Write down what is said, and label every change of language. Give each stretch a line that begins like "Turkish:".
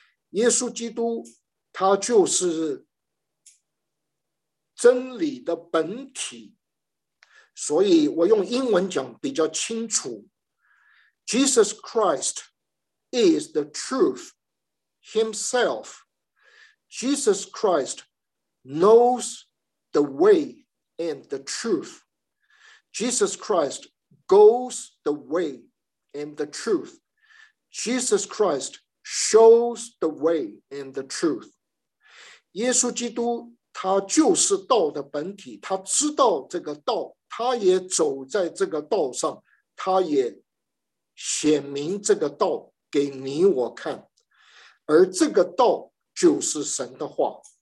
Chinese: 耶稣基督他就是真理的本体，所以我用英文讲比较清楚，
English: Jesus Christ is the truth himself. Jesus Christ knows the way and the truth. Jesus Christ goes the way and the truth. Jesus Christ shows the way and the truth.
Chinese: 耶稣基督他就是道的本体，他知道这个道，他也走在这个道上，他也显明这个道给你我看，而这个道就是神的话。